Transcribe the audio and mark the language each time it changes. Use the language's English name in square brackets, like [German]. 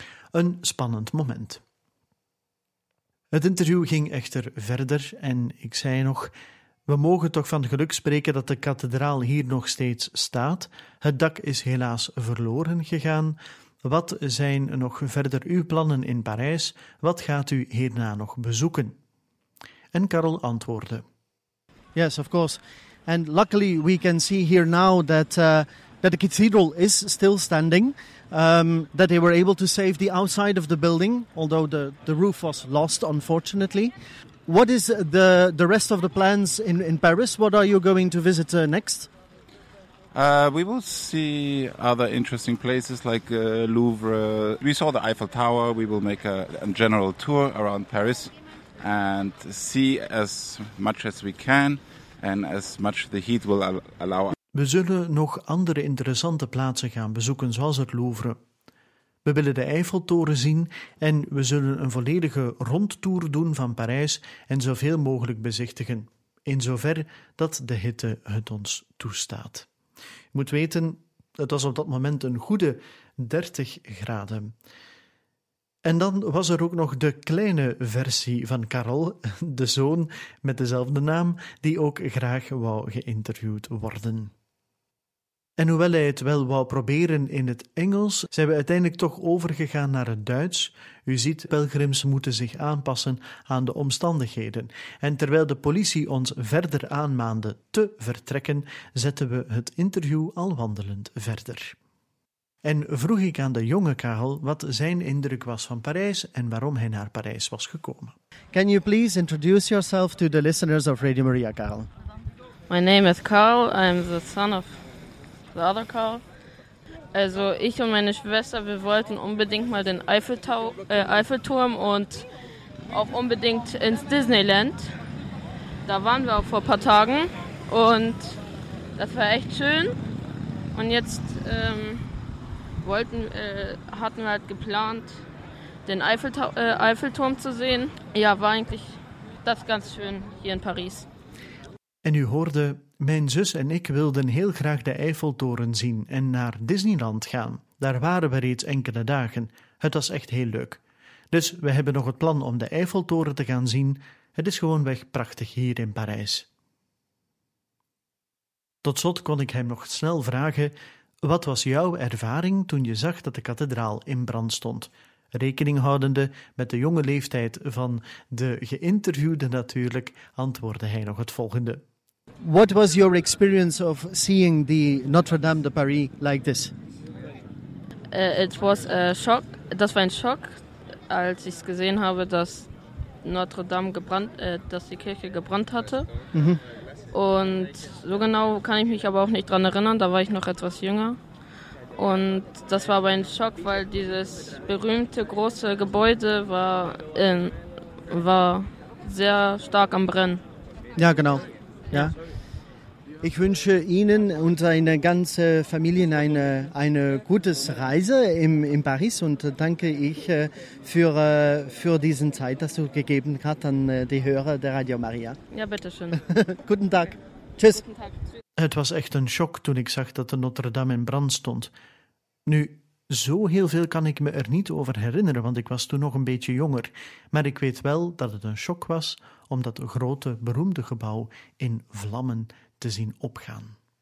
[Dutch] Een spannend moment. Het interview ging echter verder en ik zei nog, we mogen toch van geluk spreken dat de kathedraal hier nog steeds staat. Het dak is helaas verloren gegaan. Wat zijn nog verder uw plannen in Parijs? Wat gaat u hierna nog bezoeken? En Karel antwoordde. [English] Yes, of course. And luckily we can see here now that that the cathedral is still standing, that they were able to save the outside of the building, although the roof was lost, unfortunately. What is the rest of the plans in Paris? What are you going to visit next? We will see other interesting places like Louvre. We saw the Eiffel Tower. We will make a general tour around Paris and see as much as we can and as much the heat will allow. [Dutch] We zullen nog andere interessante plaatsen gaan bezoeken, zoals het Louvre. We willen de Eiffeltoren zien en we zullen een volledige rondtour doen van Parijs en zoveel mogelijk bezichtigen, in zover dat de hitte het ons toestaat. Je moet weten, het was op dat moment een goede 30 graden. En dan was er ook nog de kleine versie van Karel, de zoon met dezelfde naam, die ook graag wou geïnterviewd worden. En hoewel hij het wel wou proberen in het Engels, zijn we uiteindelijk toch overgegaan naar het Duits. U ziet, pelgrims moeten zich aanpassen aan de omstandigheden. En terwijl de politie ons verder aanmaande te vertrekken, zetten we het interview al wandelend verder. En vroeg ik aan de jonge Karel wat zijn indruk was van Parijs en waarom hij naar Parijs was gekomen. [English] Can you please introduce yourself to the listeners of Radio Maria, Karel? My name is Karl. I'm the son of the other Karl. [German] Also ich und meine Schwester, wir wollten unbedingt mal den Eiffelturm und auch unbedingt ins Disneyland. Da waren wir auch vor ein paar Tagen und das war echt schön. Und jetzt hatten wir halt geplant, den Eiffelturm zu sehen. Ja, war eigentlich das ganz schön hier in Paris. [Dutch] En u hoorde, mijn zus en ik wilden heel graag de Eiffeltoren zien en naar Disneyland gaan. Daar waren we reeds enkele dagen. Het was echt heel leuk. Dus we hebben nog het plan om de Eiffeltoren te gaan zien. Het is gewoonweg prachtig hier in Parijs. Tot slot kon ik hem nog snel vragen, wat was jouw ervaring toen je zag dat de kathedraal in brand stond? Rekening houdende met de jonge leeftijd van de geïnterviewde natuurlijk, antwoordde hij nog het volgende. [English] What was your experience of seeing the Notre Dame de Paris like this? It was a shock. [German] Das war ein Schock, als ich gesehen habe, dass Notre Dame dass die Kirche gebrannt hatte. Mm-hmm. Und so genau kann ich mich aber auch nicht dran erinnern, da war ich noch etwas jünger. Und das war aber ein Schock, weil dieses berühmte große Gebäude war sehr stark am Brennen. Ja, genau. Ja. Ich wünsche Ihnen und deiner ganzen Familie eine gute Reise in Paris und danke ich für diese Zeit, dass du gegeben hast an die Hörer der Radio Maria. Ja, bitteschön. Guten Tag. Tschüss. [Dutch] Het was echt een shock toen ik zag dat de Notre Dame in brand stond. Nu, zo heel veel kan ik me er niet over herinneren, want ik was toen nog een beetje jonger. Maar ik weet wel dat het een shock was om dat grote, beroemde gebouw in vlammen te zien opgaan.